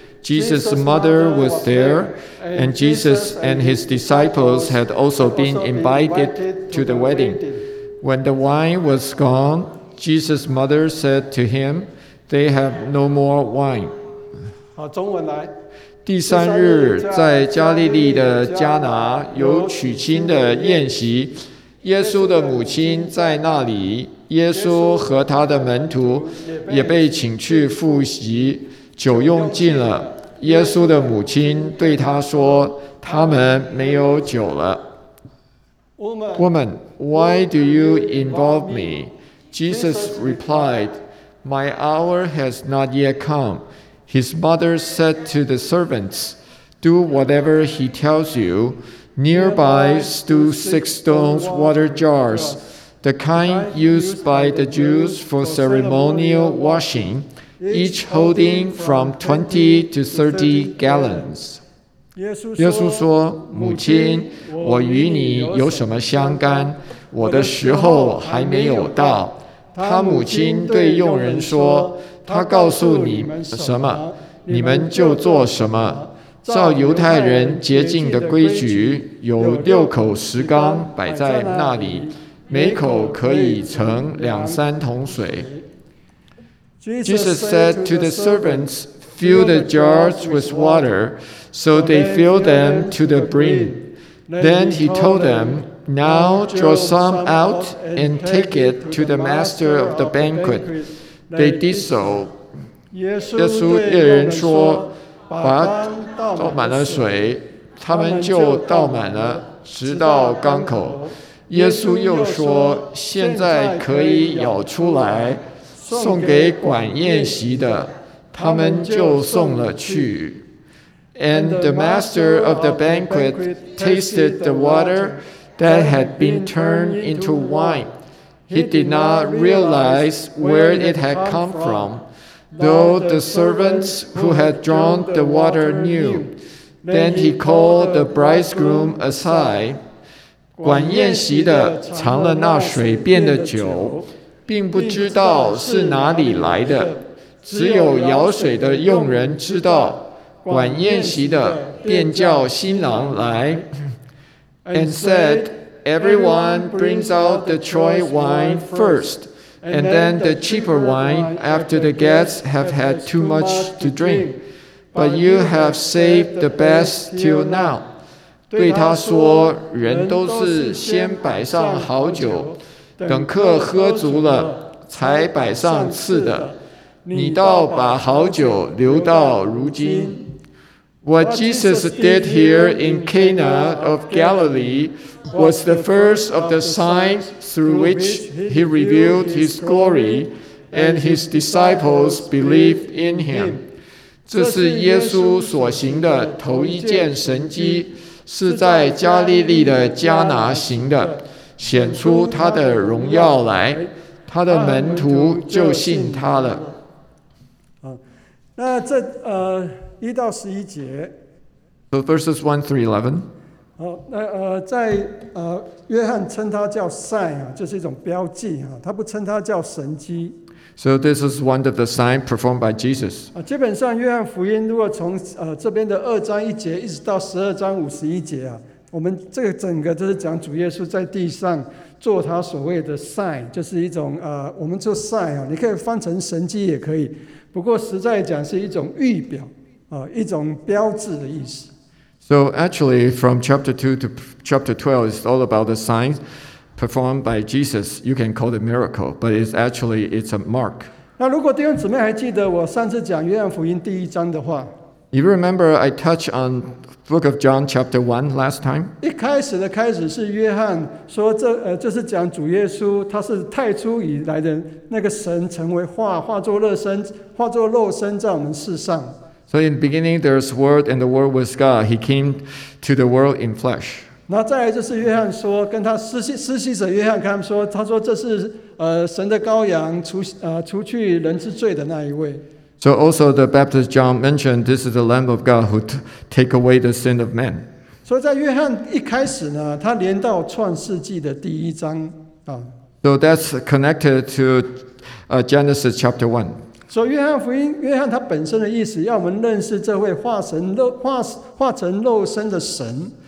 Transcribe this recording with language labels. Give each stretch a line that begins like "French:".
English: Jesus' mother was there, and Jesus and his disciples had also been invited to the wedding. When the wine was gone, Jesus' mother said to him, They have no more wine.
Chinese: 好，中文来。第三日，在加利利的迦拿有娶亲的宴席，耶稣的母亲在那里，耶稣和他的门徒也被请去赴席，酒用尽了。耶稣的母亲对他说，他们没有酒了。
English: Woman, why do you involve me? Jesus replied, My hour has not yet come. His mother said to the servants, Do whatever he tells you. Nearby stood 6 stone water jars, the kind used by the Jews for ceremonial washing, each holding from 20 to 30 gallons.
Chinese: 耶稣说，母亲，我与你有什么相干？我的时候还没有到。他母亲对佣人说，他告诉你什么，你们就做什么。照犹太人洁净的规矩，有6口石缸摆在那里，每口可以盛2-3桶水。
English: Jesus said to the servants, fill the jars with water. So they filled them to the brim. Then he told them, Now draw some out and take it to the master of the banquet. They did so.
Chinese: 耶稣对人说，把倒满了水，他们就倒满了，直到缸口。耶稣又说，现在可以舀出来，送给管宴席的，他们就送了去。
English: And the master of the banquet tasted the water that had been turned into wine. He did not realize where it had come from, though the servants who had drawn the water knew. Then he called the bridegroom aside.
Chinese: 管宴席的尝了那水变的酒，并不知道是哪里来的，只有舀水的佣人知道。管宴席的便叫新郎来
English: and said, Everyone brings out the choice wine first, and then the cheaper wine after the guests have had too much to drink. But you have saved the best till now.
Chinese: 对他说，人都是先摆上好酒，等客喝足了才摆上次的。你倒把好酒留到如今。
English: What Jesus did here in Cana of Galilee was the first of the signs through which he revealed his glory, and his disciples believed in him.
Chinese: 这是耶稣所行的头一件神迹，是在加利利的迦拿行的，显出他的荣耀来，他的门徒就信他了。那这一到十一节。
English: So verses 1-11.
Chinese: 在约翰称他叫 sign 啊，这是一种标记啊，他不称他叫神迹。
English: So this is one of the signs performed by Jesus.
Chinese: 基本上约翰福音如果从这边的二章一节一直到12章51节啊，我们这个整个都是讲主耶稣在地上做他所谓的 sign， 就是一种我们做 sign 啊，你可以翻成神迹也可以，不过实在讲是一种预表。一种标志的意思。
English: So actually, from chapter 2 to chapter 12, it's all about the signs performed by Jesus. You can call it a miracle, but it's actually it's a mark.
Chinese: 那如果弟兄姊妹还记得我上次讲约翰福音第一章的话，
English: You remember I touched on Book of John chapter 1 last time?
Chinese: 一开始的开始是约翰说这、就是讲主耶稣他是太初以来的那个神成为化化作肉身化作肉身在我们世上。
English: So in the beginning there's Word and the Word was God. He came to the world in flesh.
Chinese: 那再来就是约翰说跟他施洗者约翰跟他说他说这是、神的羔羊 除去人之罪的那一位。
English: So also the Baptist John mentioned this is the Lamb of God who take away the sin of man.
Chinese: 所以在约翰一开始呢他连到创世纪的第一章。
English: So that's connected to Genesis chapter 1.
Chinese: 所以约翰福音约翰他本身的意思要我们认识这位化成肉身的神。